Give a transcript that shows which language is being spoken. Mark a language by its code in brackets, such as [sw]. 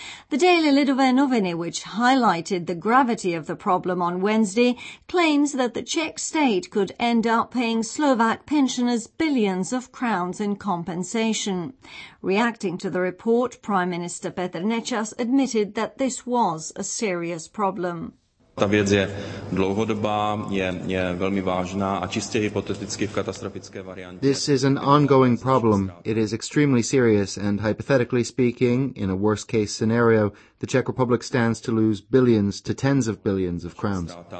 [en] The Daily Lidové noviny, which highlighted the gravity of the problem on Wednesday, claims that the Czech state could end up paying Slovak pensioners billions of crowns in compensation. Reacting to the report, Prime Minister Petr Nečas admitted that this was a serious problem. [cs] Ta věc je dlouhodobá, je velmi vážná a čistě hypoteticky v katastrofické variantě. [en] This is an ongoing problem. It is extremely serious and hypothetically speaking, in a worst case scenario, the Czech Republic stands to lose billions to tens of billions of crowns.